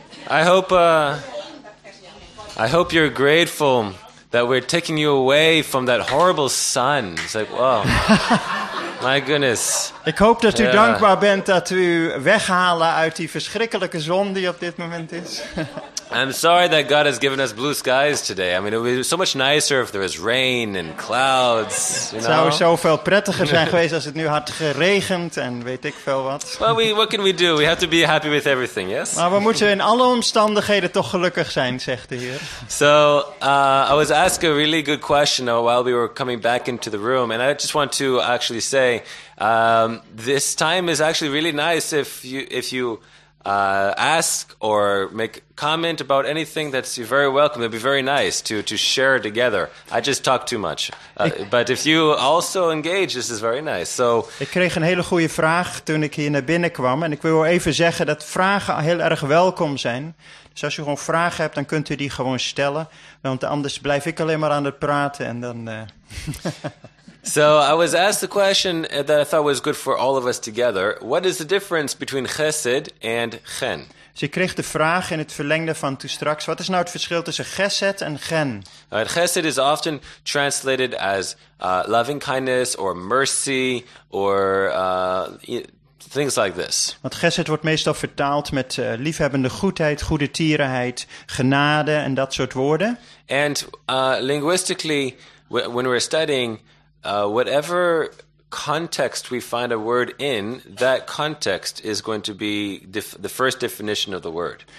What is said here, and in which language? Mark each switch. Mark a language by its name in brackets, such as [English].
[English] I hope you're grateful that we're taking you away from that horrible sun. It's like, wow. My goodness. [Dutch] Ik hoop dat u dankbaar bent dat u weghalen uit die verschrikkelijke zon die op dit moment is. [English] I'm sorry that God has given us blue skies today. I mean, it would be so much nicer if there was rain and clouds. [Dutch] Het zou zoveel prettiger zijn geweest als het nu had geregend en weet ik veel wat. [English] Well, what can we do? We have to be happy with everything, yes? [Dutch] Maar we moeten in alle omstandigheden toch gelukkig zijn, zegt de Heer. [English] So, I was asked a really good question while we were coming back into the room. And I just want to actually say, this time is actually really nice if you... ask or make comment about anything that's very welcome. It'd be very nice to share together. I just talk too much. But if you also engage, this is very nice. So, [Dutch] ik kreeg een hele goede vraag toen ik hier naar binnen kwam. En ik wil even zeggen dat vragen heel erg welkom zijn. Dus als u gewoon vragen hebt, dan kunt u die gewoon stellen. Want anders blijf ik alleen maar aan het praten en dan... [English] So I was asked the question that I thought was good for all of us together. What is the difference between chesed and gen? [Dutch] Dus ik kreeg de vraag in het verlengde van toen straks. Wat is nou het verschil tussen chesed en gen? [English] Chesed is often translated as loving kindness or mercy or things like this. [Dutch] Want chesed wordt meestal vertaald met liefhebbende goedheid, goede tierenheid, genade en dat soort woorden. [English] And linguistically, when we're studying... whatever context we find a word in, that context is going to be the first definition of the word.